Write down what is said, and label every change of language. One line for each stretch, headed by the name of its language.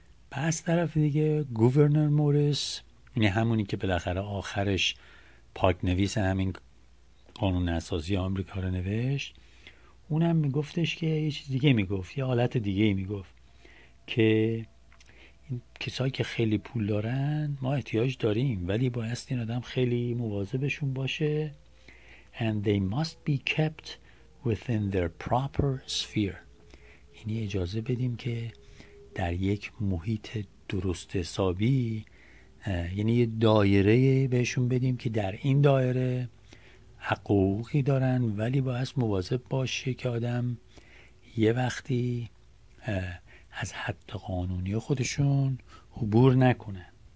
Persian: پس طرف دیگه گوورنر موریس، یعنی همونی که بالاخره آخرش پاک نویس همین قانون اساسی آمریکا رو نوشت، اونم میگفتش که یه چیز دیگه میگفت، یه حالت دیگه میگفت که این کسایی که خیلی پول دارن ما احتیاج داریم، ولی بایست این آدم خیلی مواظبشون باشه.
English: And they must be kept within their proper sphere.
Persian: یعنی اجازه بدیم که در یک محیط درست حسابی، یعنی یه دایره بهشون بدیم که در این دایره حقوقی دارن، ولی باید مواظب باشه که آدم یه وقتی از حد قانونی خودشون عبور نکنه.